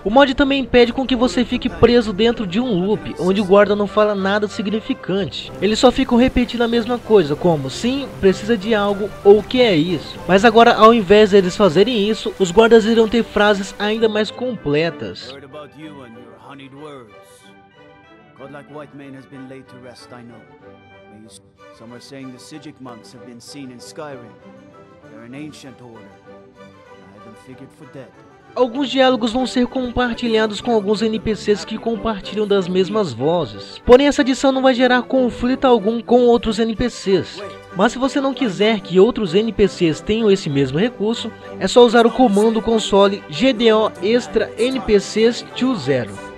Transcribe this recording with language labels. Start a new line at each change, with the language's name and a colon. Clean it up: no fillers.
Portuguese: O mod também impede com que você fique preso dentro de um loop, onde o guarda não fala nada significante. Ele só fica repetindo a mesma coisa, como sim, precisa de algo, ou o que é isso. Mas agora, ao invés deles fazerem isso, os guardas irão ter frases ainda mais completas.
English: Heard about you and your honeyed words. Godlike white mane has been laid to rest, I know. Some are saying the Sigic monks have been seen in Skyrim. They're an ancient order. I had them figured for dead.
Portuguese: Alguns diálogos vão ser compartilhados com alguns NPCs que compartilham das mesmas vozes. Porém, essa adição não vai gerar conflito algum com outros NPCs. Mas se você não quiser que outros NPCs tenham esse mesmo recurso, é só usar o comando console GDO Extra NPCs 2.0.